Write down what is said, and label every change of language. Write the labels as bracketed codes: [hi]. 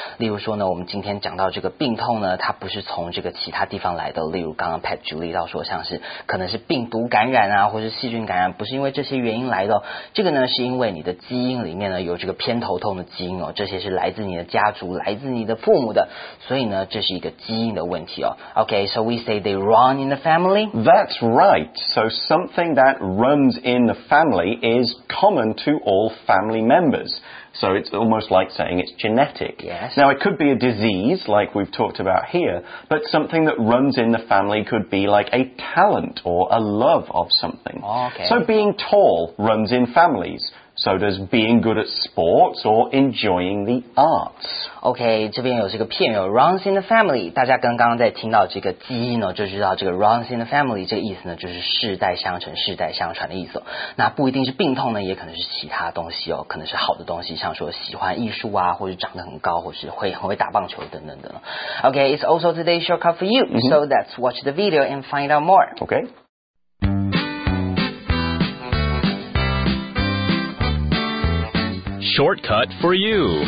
[zh] 例如说呢我们今天讲到这个病痛呢它不是从这个其他地方来的例如刚刚 Pat 举例到说像是可能是病毒感染啊或是细菌感染不是因为这些原因来的、哦、这个呢是因为你的基因里面呢有这个偏头痛的基因哦这些是来自你的家族来自你的父母的所以呢这是一个基因的问题哦。 [en] OK, so we say they run in the family? That's right. So something that runs in the family is common to all family members. So it's almost like saying it's genetic. Yes. Now it could be a disease like we've talked about here, but something that runs in the family could be like a talent or a love of something. Okay. So being tall runs in families. So does being good at sports or enjoying the arts. [zh] OK, 这边有这个片语 [en] runs in the family. [zh] 大家刚刚在听到这个基因呢就知道这个 [en] runs in the family [zh] 这个意思呢就是世代相承世代相传的意思、哦、那不一定是病痛呢也可能是其他东西哦可能是好的东西像说喜欢艺术啊或者长得很高或是会很会打棒球等等等。 [en] OK, it's also today's show cut for you.、 Mm-hmm. So let's watch the video and find out more. OK. Shortcut for you.